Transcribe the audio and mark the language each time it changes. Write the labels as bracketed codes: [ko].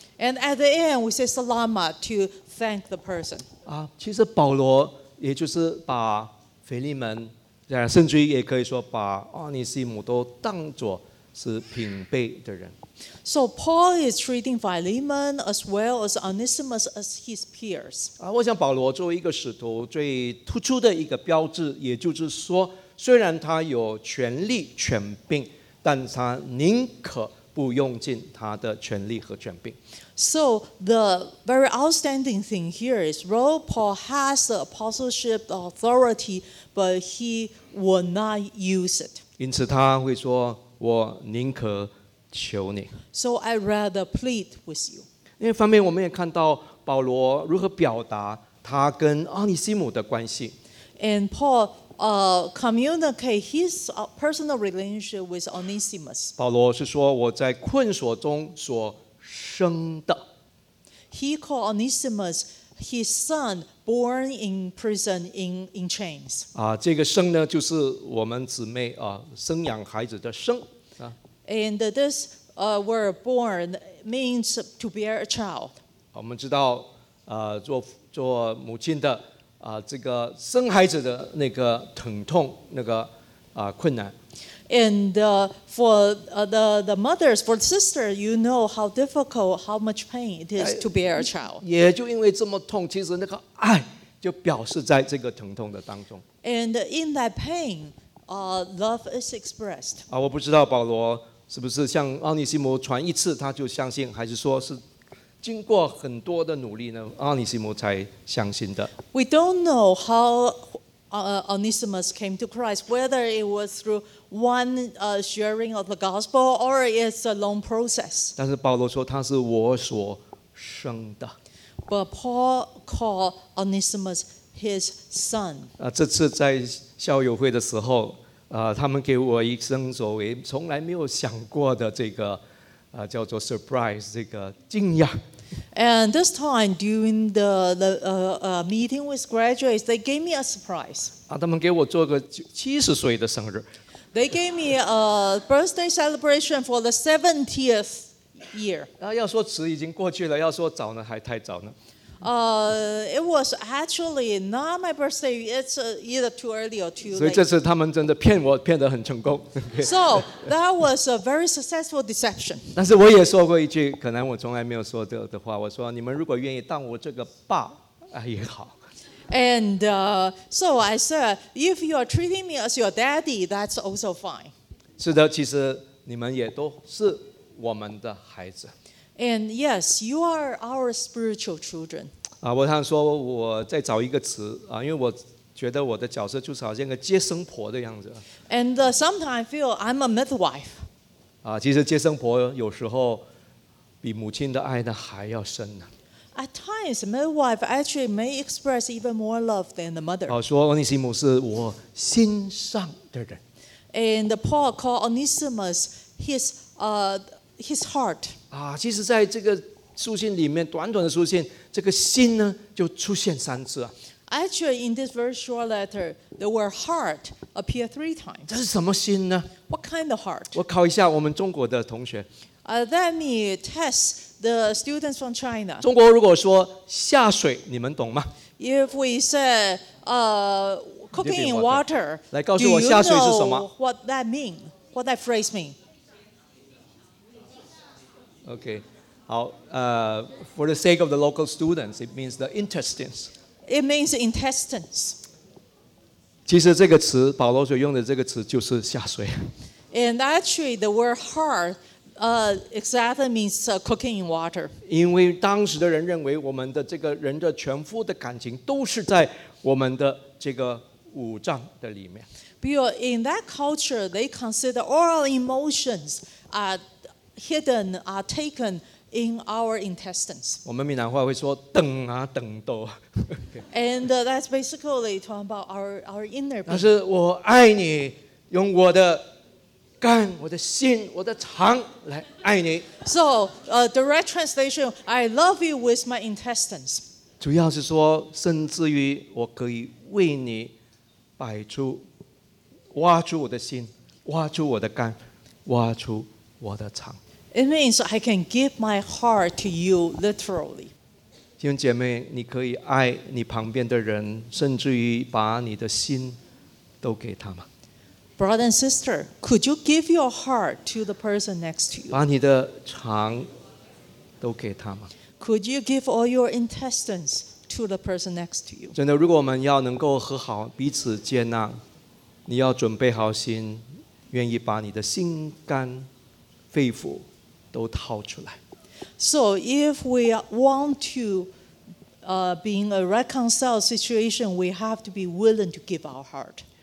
[en] And at the end we say salamat to thank the person. [zh] 其实保罗也就是把腓利门，甚至也可以说把阿尼西姆都当作是平辈的人。 [en] So Paul is treating Philemon as well as Onesimus as his peers. [zh] 我想保罗作为一个使徒最突出的一个标志，也就是说虽然他有权力权柄，但他宁可不用尽他的权力和权柄。 [en] So the very outstanding thing here is, though Paul has the apostleship authority, but he will not use it. [zh] 因此他会说，我宁可求你。 [en] So I rather plead with you. [zh] 另一方面，我们也看到保罗如何表达他跟阿尼西姆的关系。 [en] And Paul communicate his personal relationship with Onesimus. [zh] 保罗是说我在困锁中所生的。 [en] He called Onesimus his son, born in prison in chains. [zh] 这个生呢，就是我们姊妹生养孩子的生。 [en] And this word born means to bear a child. [zh] 我们知道做母亲的。这个生孩子的那个疼痛，那个困难。 [en] And for the mothers, for sister, you know how difficult, how much pain it is to bear a child. [zh] 也就因为这么痛，其实那个爱就表示在这个疼痛的当中。 [en] And in that pain, love is expressed. [zh] 我不知道保罗是不是向奥尼西姆传一次他就相信，还是说是经过很多的努力呢，阿尼西姆才相信的。 [en] We don't know how Onesimus came to Christ, whether it was through one sharing of the gospel or it's a long process. [zh] 但是保罗说他是我所生的。 [en] But Paul called Onesimus his son. [zh] 这次在校友会的时候，他们给我一生所为从来没有想过的这个叫做 surprise， 这个惊讶。 [en] And this time during the meeting with graduates, they gave me a surprise. [zh] 他们给我做个70岁的生日。 [en] They gave me a birthday celebration for the 70th year. [zh] 要说迟已经过去了，要说早呢还太早呢。 [en] It was actually not my birthday. It's either too early or too late. [zh] 所以这次他们真的骗我，骗得很成功。 [en] So that was a very successful deception. [zh] 但是我也说过一句，可能我从来没有说的话。我说，你们如果愿意当我这个爸，也好。 [en] And so I said, if you are treating me as your daddy, that's also fine. [zh] 是的，其实你们也都是我们的孩子。 [en] And yes, you are our spiritual children. [zh] 我想说我再找一个词因为我觉得我的角色就是好像个接生婆的样子。 [en] And sometimes I feel I'm a midwife. [zh] 其实接生婆有时候比母亲的爱呢还要深呢。 [en] At times, midwife actually may express even more love than the mother. [zh] 说奥尼西姆是我心上的人。 [en] And Paul called Onesimus his heart. [zh] 其实在这个书信里面，短短的书信，这个心呢就出现三次。 [en] Actually, in this very short letter, the word heart appeared three times. [zh] 这是什么心呢 [en] ？What kind of heart？ [zh] 我考一下我们中国的同学。 [en] Let me test the students from China. [zh] 中国如果说下水，你们懂吗 [en] ？If we say cooking in water， [zh] 来告诉我下水是什么 [en] ？What that mean？What that phrase mean？ Okay. For the sake of the local students, it means the intestines. It means intestines. [zh] 其实这个词，保罗所用的这个词就是下水。 [en] And actually, the word heart, exactly means cooking in water. [zh] 因为当时的人认为我们的这个人的全部的感情都是在我们的这个五脏的里面。 [en] Because in that culture, they consider all emotions are hidden, are taken in our intestines. [zh] 我们闽南话会说等啊等都。 [en] And that's basically talking about our inner being. [zh] 但是我爱你，用我的肝、我的心、我的肠来爱你。 [en] So, direct translation, I love you with my intestines. [zh] 主要是说，甚至于我可以为你摆出。挖出我的心，挖出我的肝，挖出我的肠。 [en] It means I can give my heart to you literally. [zh] 弟兄姐妹，你可以爱你旁边的人，甚至于把你的心都给他吗 [en] ？Brother and sister, could you give your heart to the person next to you? [zh] 把你的肠都给他吗 [en] ？Could you give all your intestines to the person next to you? [zh] 真的，如果我们要能够和好，彼此接纳。你要准备好心，愿意把你的心肝肺腑都掏出来。 [en] So if we want to, be in a reconciled situation, we have to be willing to give our heart.